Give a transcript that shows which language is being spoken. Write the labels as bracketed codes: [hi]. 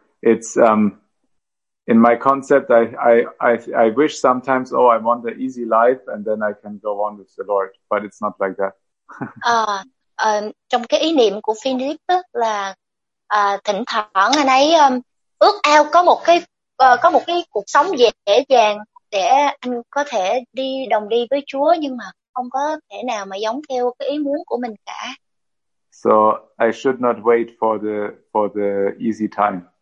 [en] It's in my concept I wish sometimes, oh, I want the easy life and then I can go on with the Lord, but it's not like that. [vi] Trong cái ý niệm của Philip là thỉnh thoảng anh ấy ước ao có một cái cuộc sống dễ dàng để anh có thể đi với Chúa, nhưng mà không có thể nào mà giống theo cái ý muốn của mình cả. [en] So I should not wait for the easy time.